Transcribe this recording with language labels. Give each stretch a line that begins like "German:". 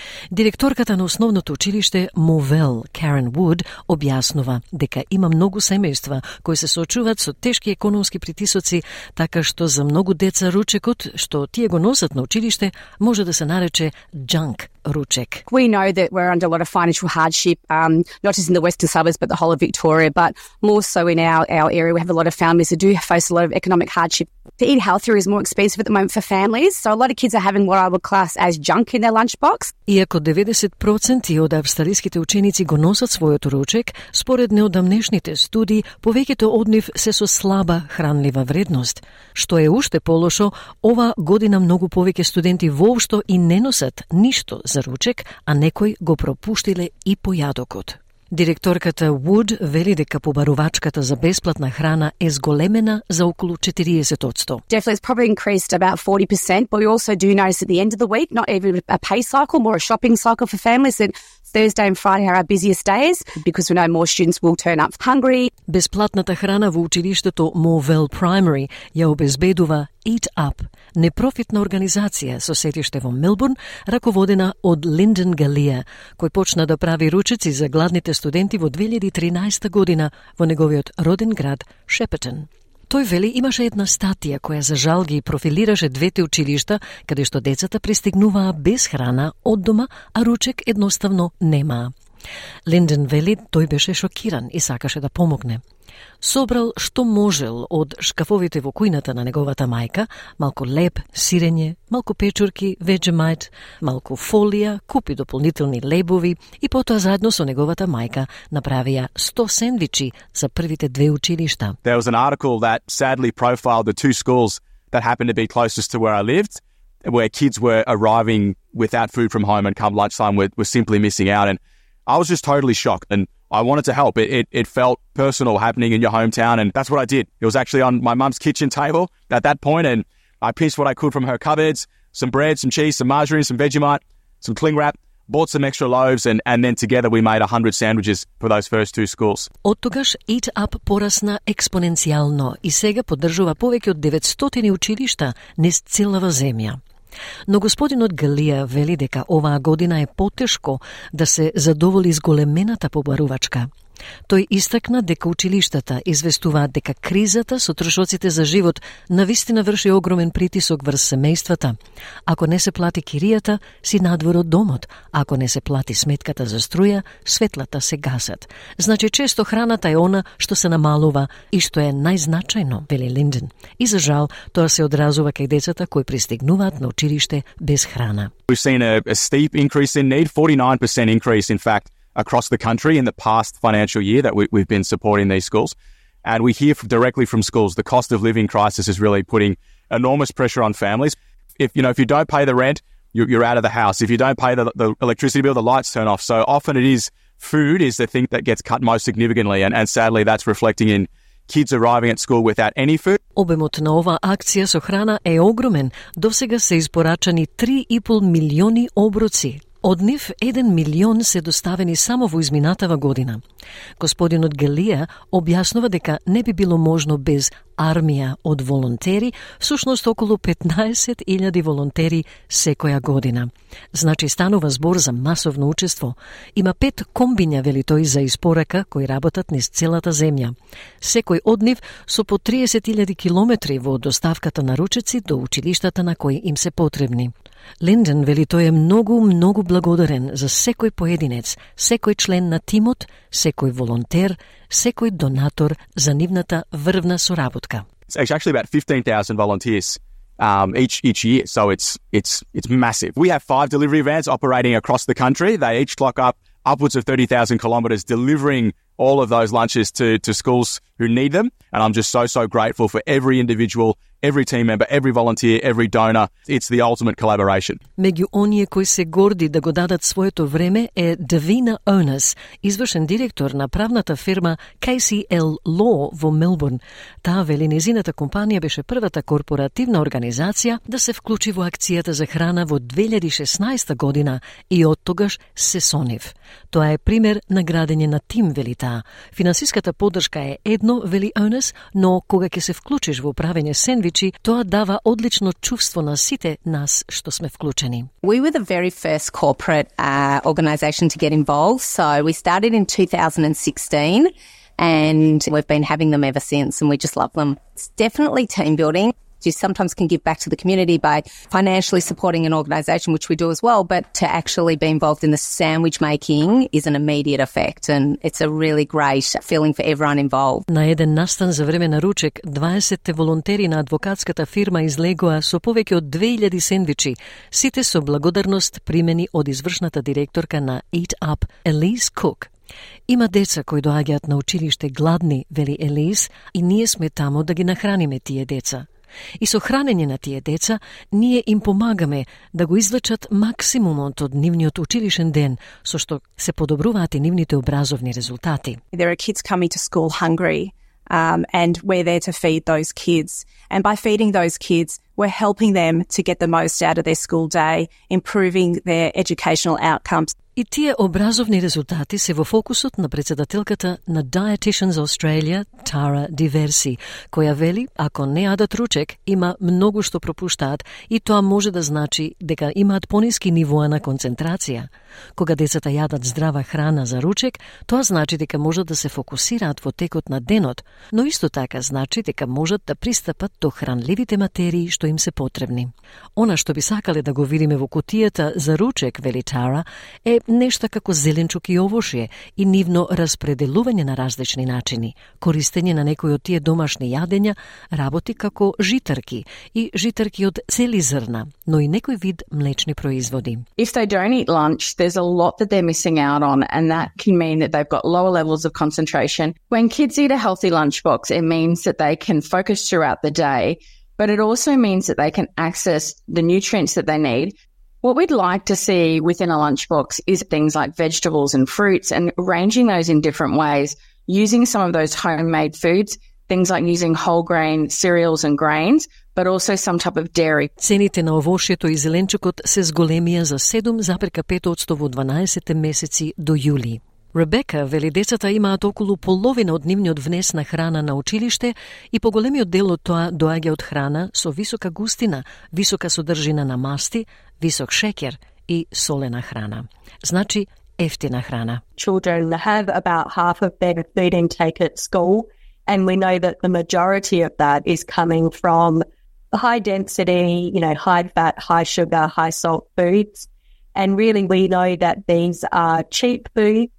Macedonian: Директорката на основното училиште Мовел, Карен Вуд, објаснува дека има многу семејства кои се соочуваат со тешки економски притисоци, така што за многу деца ручекот што тие го носат на училиште може да се нарече junk ручек.
English: We know that we're under a lot of financial hardship, not just in the western suburbs but the whole of Victoria, but more so in our area. We have a lot of families that do face a lot of economic hardship. To eat healthier is more expensive at the moment for families, so a lot of kids are having what I would class as junk in their lunchbox.
Macedonian: Иако 90% од австралиските ученици го носат својот ручек, според неодамнешните студии, повеќето од нив се со слаба хранлива вредност. Што е уште полошо, ова година многу повеќе студенти воопшто и не носат ништо за ручек, а некои го пропуштиле и појадокот. Директорката Вуд вели дека побарувачката за бесплатна храна е зголемена за околу 40%.
English: Definitely it's probably increased about 40%, but we also do notice at the end of the week, not even a pay cycle, more a shopping cycle for families, that Thursday and Friday are our busiest days because we know more students will turn up hungry.
Macedonian: Бесплатната храна во училиштето Мовел Primary ја обезбедува Eat Up, непрофитна организација со сетиште во Мелбурн, раководена од Линден Галија, кој почна да прави ручеци за гладните студенти во 2013 година во неговиот роден град Шепетон. Тој вели имаше една статија која за жал ги профилираше двете училишта каде што децата пристигнуваа без храна од дома, а ручек едноставно немаа. Линден вели тој беше шокиран и сакаше да помогне. Собрал што можел од шкафовите во кујната на неговата мајка, малку леб, сирење, малку печурки, веджемајт, малку фолија, купи дополнителни лебови и потоа заедно со неговата мајка направија 100 сендвичи за првите две училишта.
English: There was an article that sadly profiled the two schools that happened to be closest to where I lived, where kids were arriving without food from home and come lunchtime were simply missing out, and I was just totally shocked and I wanted to help. It felt personal happening in your hometown, and that's what I did. It was actually on my mum's kitchen table at that point, and I pinched what I could from her cupboards, some bread, some cheese, some margarine, some Vegemite, some cling wrap, bought some extra loaves, and then together we made 100 sandwiches for those first two schools.
Macedonian: Оттогаш Eat Up порасна експоненцијално и сега поддржува повеќе од 900 училишта низ целава земја. Но господинот Галија вели дека оваа година е потешко да се задоволи зголемената побарувачка. Тој истакна дека училиштата известуваат дека кризата со трошоците за живот навистина врши огромен притисок врз семејствата. Ако не се плати киријата, си надвор од домот. Ако не се плати сметката за струја, светлата се гасат. Значи, често храната е она што се намалува и што е најзначајно, вели Линден. И за жал, тоа се одразува кај децата кои пристигнуваат на училиште без храна.
English: We've seen a steep increase in need, 49% increase, in fact, across the country in the past financial year that we've been supporting these schools. And we hear directly from schools, the cost of living crisis is really putting enormous pressure on families. If you don't pay the rent, you're out of the house. If you don't pay the electricity bill, the lights turn off. So often it is food is the thing that gets cut most significantly. And sadly, that's reflecting in kids arriving at school without any food.
Macedonian: Обемот на оваа акција со храна е огромен. Досега се испорачани 3,5 милиони оброци. Од нив 1 милион се доставени само во изминатава година. Господинот Галија објаснува дека не би било можно без армија од волонтери, всушност околу 15.000 волонтери секоја година. Значи, станува збор за масовно учество. Има 5 комбиња, вели тој, за испорака кои работат низ целата земја. Секој од нив со по 30.000 километри во доставката на ручеци до училиштата на кои им се потребни. Линден вели тој е многу, многу благодарен за секој поединец, секој член на тимот, секој волонтер, секој донатор за нивната врвна соработка.
English: It's actually about 15,000 volunteers each year, so it's massive. We have 5 delivery vans operating across the country. They each clock upwards of 30,000 kilometers delivering all of those lunches to schools who need them, and I'm just so grateful for every individual, every team member, every volunteer, every donor. It's the ultimate collaboration.
Macedonian: Меѓу оние кои се горди да го дадат своето време е Davina Onus, извршен директор на правната фирма KCL Law во Мелбурн. Таа вели незината компанија беше првата корпоративна организација да се вклучи во акцијата за храна во 2016 година и од тогаш се сонив. Тоа е пример на градење на тим, вели таа. Финансиската поддршка е едно, вели Onus, но кога ќе се вклучиш во правење сен тоа дава одлично чувство на сите нас што сме вклучени.
English: We were the very first corporate organization to get involved, so we started in 2016 and we've been having them ever since and we just love them. It's definitely team building. You sometimes can give back to the community by financially supporting an organization, which we do as well, but to actually be involved in the sandwich making is an immediate effect and it's a really great feeling for everyone involved.
Macedonian: На еден настан за време на ручек, 20 волонтери на адвокатската фирма излегоа со повеќе од 2000 сендвичи, сите со благодарност примени од извршната директорка на Eat Up, Elise Cook. Има деца кои доаѓаат на училиште гладни, вели Elise, и ние сме тамо да ги нахраниме тие деца. И со хранење на тие деца, ние им помагаме да го извлечат максимумот од нивниот училишен ден, со што се подобруваат и нивните образовни резултати.
English: There are kids coming to school hungry, and we're there to feed those kids. And by feeding those kids, we're helping them to get the most out of their school day, improving their educational outcomes.
Macedonian: И тие образовни резултати се во фокусот на председателката на Dietitians Australia, Тара Диверси, која вели, ако не јадат ручек, има многу што пропуштаат и тоа може да значи дека имаат пониски нивоа на концентрација. Кога децата јадат здрава храна за ручек, тоа значи дека можат да се фокусираат во текот на денот, но исто така значи дека можат да пристапат до хранливите материи што им се потребни. Она што би сакале да го видиме во кутијата за ручек, вели Тара, е нешто како зеленчук и овошје и нивно распределување на различни начини. Користење на некои од тие домашни јадења работи како житарки и житарки од цели зрна, но и некој вид млечни производи.
English: If they don't eat lunch, there's a lot that they're missing out on and that can mean that they've got lower levels of concentration. When kids eat a healthy lunchbox, it means that they can focus throughout the day, but it also means that they can access the nutrients that they need. What we'd like to see within a lunchbox is things like vegetables and fruits and arranging those in different ways, using some of those homemade foods, things like using whole grain cereals and grains, but also some type of dairy.
Macedonian: Цените на овошјето и зеленчукот се зголемија за 7,5% во 12 месеци до јули. Ребека вели децата имаат околу половина од нивниот внес на храна на училиште и поголемиот дел од тоа доаѓа од храна со висока густина, висока содржина на масти, висок шеќер и солена храна. Значи, ефтина храна.
English: Children have about half of their food intake at school, and we know that the majority of that is coming from high density, you know, high fat, high sugar, high salt foods. And really we know that these are cheap food.